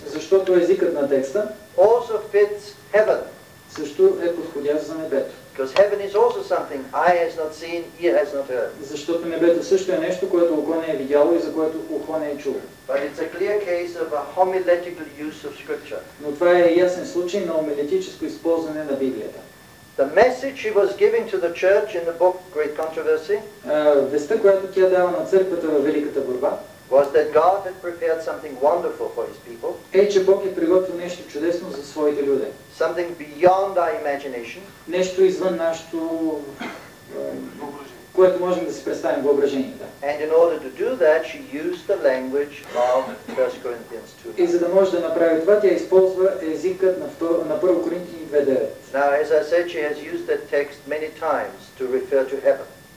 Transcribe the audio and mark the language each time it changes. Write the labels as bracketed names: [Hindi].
[Bulgarian] защото езикът на текста [English] also fits heaven. [Bulgarian] Също е подходящ за небето. [English] Because heaven is also something eye has not seen, ear has not heard. [Bulgarian] Защото небето също е нещо, което око не е видяло и за което ухо не е чуло. [English] But it's a clear case of a homiletical use of scripture. [Bulgarian] Но това е ясен случай на омилетическо използване на Библията. [English] The message he was giving to the church in the book Great Controversy, [Bulgarian] Веста, която тя дава на църквата във Великата борба, [English] was that God had prepared something wonderful for his people. [Bulgarian] Е, че Бог е приготвил нещо чудесно за своите люди. [English] Something beyond our imagination. [Bulgarian] Нещо извън нашето, което можем да си представим въображение. Да. [English] And in order to do that, she used the language of 1 Corinthians 2. [Bulgarian] И за да може да направи това, тя използва езикът на 1 Коринтияни 2:9. [English] Now, as I said, she has used that text many times to refer to heaven.